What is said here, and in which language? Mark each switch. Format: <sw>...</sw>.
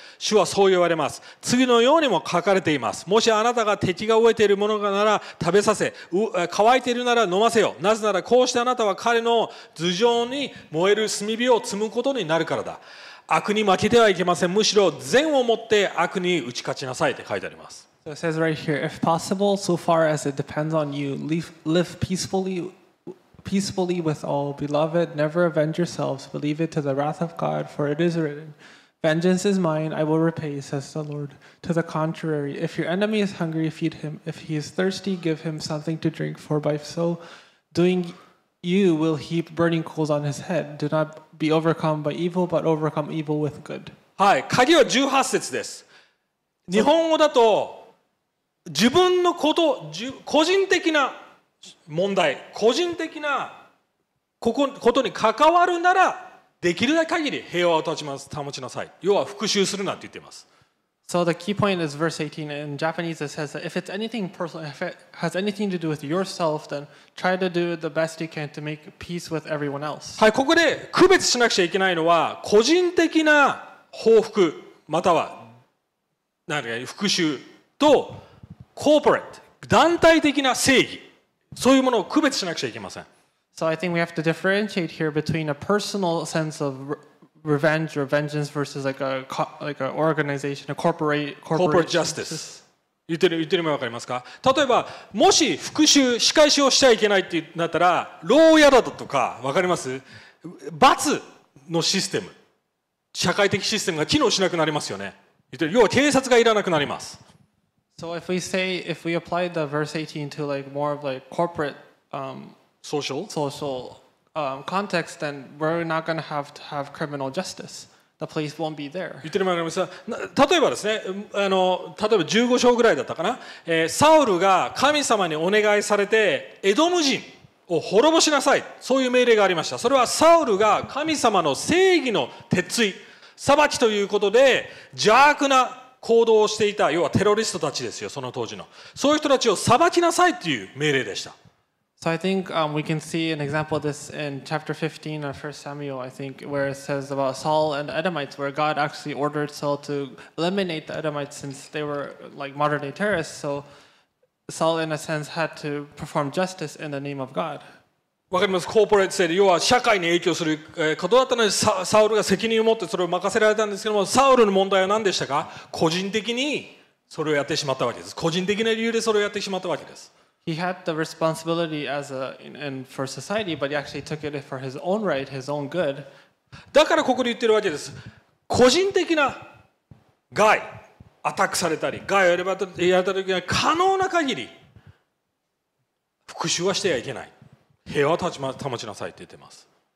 <ja>主はそう言われます。次のようにも書かれています。もしあなたが敵が飢えているものなら食べさせ、乾いているなら飲ませよ。なぜならこうしてあなたは彼の頭上に燃える炭火を積むことになるからだ。悪に負けてはいけません。むしろ善をもって悪に打ち勝ちなさいって書いてあります。</ja> <en>So So it says right here, if possible, so far as it depends on you, live peacefully with all, beloved, never avenge yourselves, but leave it to the wrath of God, for it is written, vengeance is mine, I will repay, says the Lord. To the contrary, if your enemy is hungry, feed him. If he is thirsty, give him something to drink, for by so doing, you will heap burning coals on his head. Do not be overcome by evil, but overcome evil with good.</en> <ja>はい、鍵は18節です。日本語だと自分のこと、個人的な問題、個人的なことに関わるならできる限り平和を保ちなさい。要は復讐するなって言ってます。</ja> <en>So the key point is verse 18 in Japanese. It says that if it's anything personal, if it has anything to do with yourself, then try to do the best you can to make peace with everyone else.</en> <ja>はい、ここで区別しなくちゃいけないのは個人的な報復または復讐と corporate 団体的な正義、そういうものを区別しなくちゃいけません。</ja> <en>So I think we have to differentiate here between a personal sense of revenge or vengeance versus like a organization, a corporate justice.</en> <ja>言ってるのも分かりますか？例えばもし復讐仕返しをしちゃいけないってなったら牢屋だとか、分かります？罰のシステム、社会的システムが機能しなくなりますよね。要は警察がいらなくなります。</ja> <en>So if we say, if we apply the verse 18 to like more of like corporate social context, then we're not going to have criminal justice. The police won't be there.</en> <ja>言ってるのもわかりますか？例えばですね、例えば15章ぐらいだったかな、サウルが神様にお願いされてエドム人を滅ぼしなさい、そういう命令がありました。それはサウルが神様の正義の鉄槌、裁きということで邪悪な行動をしていた、要はテロリストたちですよ、その当時の。そういう人たちを裁きなさいという命令でした。</ja> <en>So I think we can see an example of this in chapter 15 of 1 Samuel, I think, where it says about Saul and the Edomites, where God actually ordered Saul to eliminate the Edomites since they were like modern day terrorists. So Saul, in a sense, had to perform justice in the name of God.</en> <ja>わかります。コーポレート制で、要は社会に影響することだったので、サウルが責任を持ってそれを任せられたんですけども、サウルの問題は何でしたか？個人的にそれをやってしまったわけです。個人的な理由でそれをやってしまったわけです。</ja> <en>He had the responsibility as a, and for society, but he actually took it for his own right, his own good.</en> <ja>だからここで言ってるわけです。個人的な害、アタックされたり、害をやれたときは可能な限り、復讐はしてはいけない。平和を保ちなさいって言ってます。</ja>